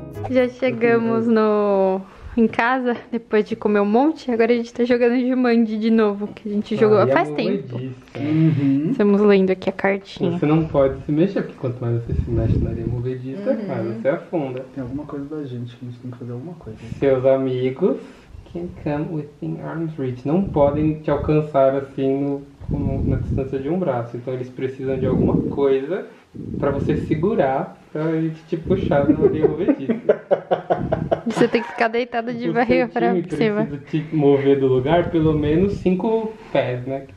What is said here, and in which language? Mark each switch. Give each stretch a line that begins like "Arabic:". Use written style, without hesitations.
Portuguese: Já chegamos em casa, depois de comer um monte, agora a gente tá jogando Jumanji de novo, que a gente jogou faz tempo. Uhum. Estamos lendo aqui a cartinha. Você não pode se mexer, porque quanto mais você se mexe na areia movediça, uhum, mais você afunda. Tem alguma coisa da gente, que a gente tem que fazer alguma coisa. Seus amigos
English: can come within arm's reach.
Portuguese: Não podem te alcançar assim na distância de um braço, então eles precisam de alguma coisa pra você segurar. Pra gente te puxar no areia movediça. Você tem que ficar deitado de barriga pra cima. Você precisa te mover do lugar pelo menos 5 pés, né?